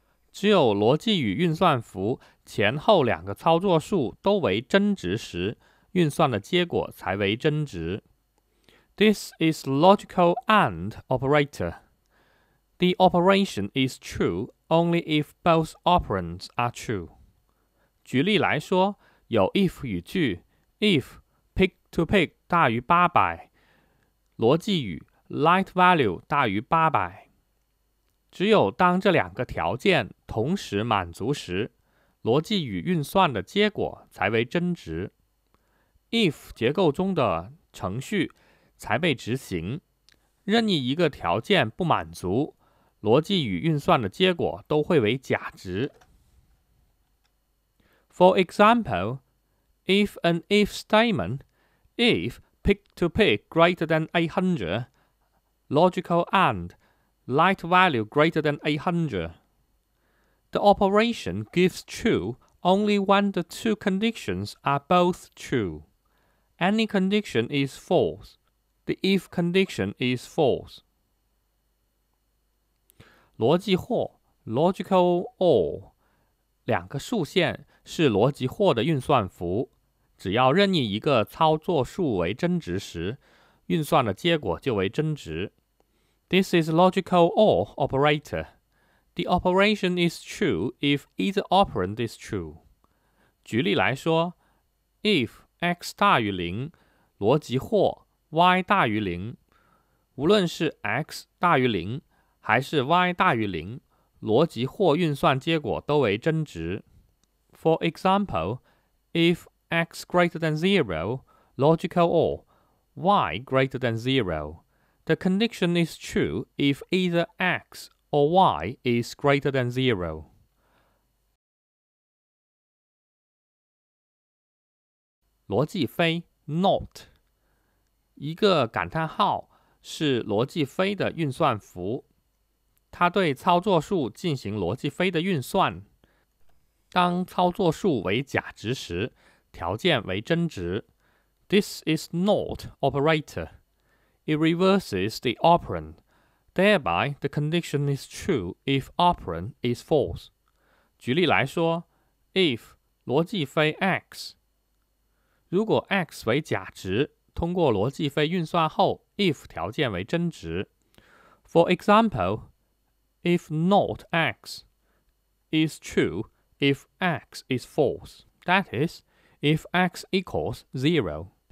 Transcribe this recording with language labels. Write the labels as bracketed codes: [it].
[zh] 只有逻辑语运算符前后两个操作数都为真值时，运算的结果才为真值。 [en] This is logical AND operator. The operation is true only if both operands are true. [zh] 举例来说，有 if 语句 if pick to pick 大于800，逻辑语 light value 大于800。只有当这两个条件同时满足时，逻辑语运算的结果才为真值。 If 结构中的程序才被执行，任意一个条件不满足，逻辑语运算的结果都会为假值。 [en] For example, if an if statement, if pick to pick greater than 800, logical AND, light value greater than 800, the operation gives true only when the two conditions are both true. Any condition is false. The if condition is false. [zh] 逻辑或 logical or 两个竖线是逻辑或的运算符，只要任意一个操作数为真值时，运算的结果就为真值。 [en] This is logical or operator. The operation is true if either operand is true. [zh] 举例来说， ifx 大于0，逻辑或 y 大于0。无论是 x 大于0还是 y 大于0，逻辑或运算结果都为真值。 [en] For example, if x greater than 0, logical or y greater than 0, the condition is true if either x or y is greater than 0. [zh] 逻辑非 not， 一个感叹号是逻辑非的运算符，它对操作数进行逻辑非的运算，当操作数为假值时，条件为真值。 [en] This is not operator. It reverses the operand. Thereby, the condition is true if operand is false. [zh] 举例来说， if 逻辑非 x，如果 x 为假值，通过逻辑非运算后 if 条件为真值。 [en] For example, if not x is true if x is false, that is, if x equals 0.